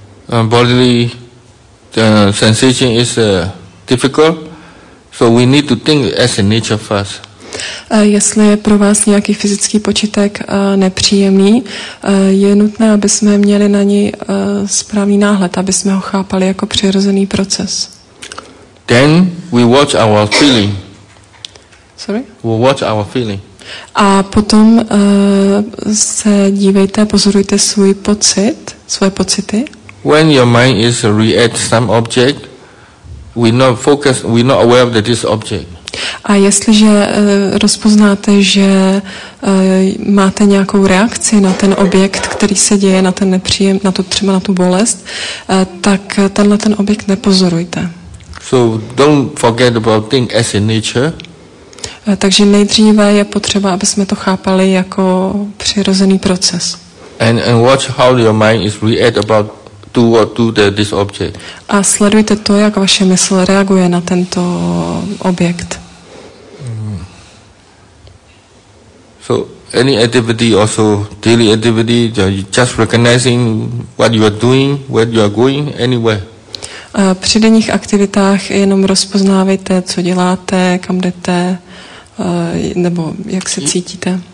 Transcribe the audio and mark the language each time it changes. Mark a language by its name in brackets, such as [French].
[English] bodily sensation is difficult, so we need to think as a nature first. [Czech] Jestli je pro vás nějaký fyzický počítek nepříjemný, je nutné, aby jsme měli na něj správný náhled, aby jsme ho chápali jako přirozený proces. [English] Then we watch our feeling. Sorry? We watch our feeling. [Czech] A potom se dívejte, pozorujte svůj pocit, svoje pocity. [English] When your mind is react some object, we not focus, we not aware of this object. [Czech] A jestliže rozpoznáte, že máte nějakou reakci na ten objekt, který se děje, na ten nepříjem, na tu třeba na tu bolest, tak tenhle ten objekt nepozorujte. [English] So don't forget about thing as in nature. [Czech] Takže nejdříve je potřeba, aby jsme to chápali jako přirozený proces. [English] And watch how your mind is react about to this object. [Czech] A sledujte to, jak vaše mysl reaguje na tento objekt. [English] So any activity, also daily activity, just recognizing what you are doing, where you are going, anywhere. [Czech] Při denních aktivitách jenom rozpoznávejte, co děláte, kam jdete, nebo jak se cítíte.